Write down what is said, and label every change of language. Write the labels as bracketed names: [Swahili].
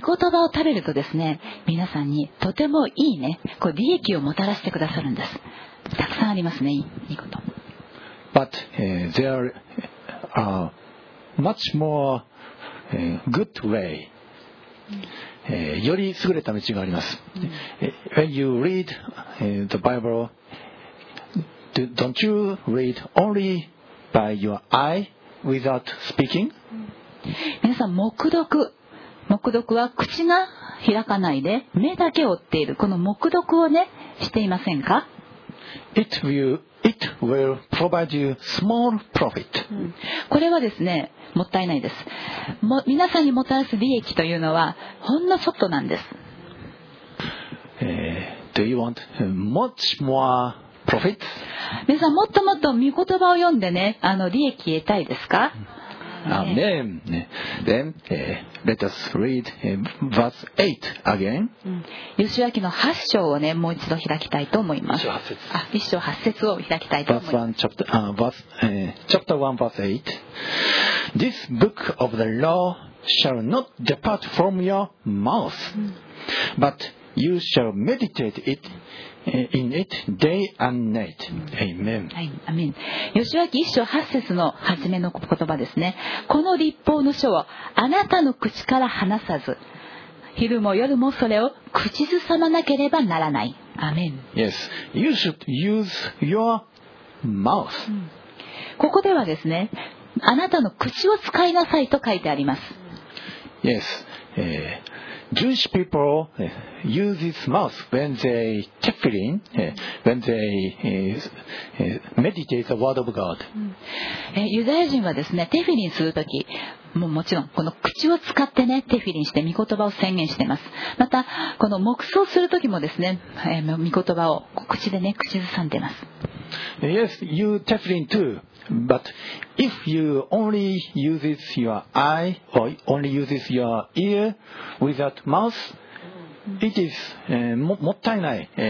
[Japanese] 言葉を食べるとですね、皆さんにとてもいいね、こう利益をもたらしてくださるんです。たくさんありますね、いいこと。 [English] But there are much more good way. [Japanese] より優れた道があります。 [English] When you read the Bible, don't you read only by your eye, without speaking? [Japanese] 皆さん、黙読。黙読は口が開かないで目だけ追っている、この黙読をねしていませんか。 [English] It will provide you small profit. [Japanese] これはですね、もったいないです。皆さんにもたらす利益というのはほんのちょっとなんです。 [English] Do you want much more profit? [Japanese] 皆さん、もっともっと御言葉を読んでね、あの利益を得たいですか。 [English] Amen. Then, let us read verse 8 again. [Japanese] ヨシュア記の8章をね、もう一度開きたいと思います。1章8節を開きたいと思います。 [English] Chapter 1, verse 8. This book of the law shall not depart from your mouth, but you shall meditate it in it day and night. Amen. [Japanese] はい、アメン。ヨシュア記1章8節の初めの言葉ですね。この律法の書をあなたの口から離さず、昼も夜もそれを口ずさまなければならない。アメン。 [English] Yes. You should use your mouth. [Japanese] ここではですね、あなたの口を使いなさいと書いてあります。 [English] Yes. Jewish people use his mouth when they tefillin, when they meditate the word of God. [Japanese] ユダヤ人はですね、テフィリンするとき、もうもちろんこの口を使ってね、テフィリンして御言葉を宣言しています。またこの黙想するときもですね、御言葉を口でね、口ずさんでいます。 [English] Yes, you tefillin too. But if you only uses your eye or only uses your ear without mouth, it is [Japanese] もったいない。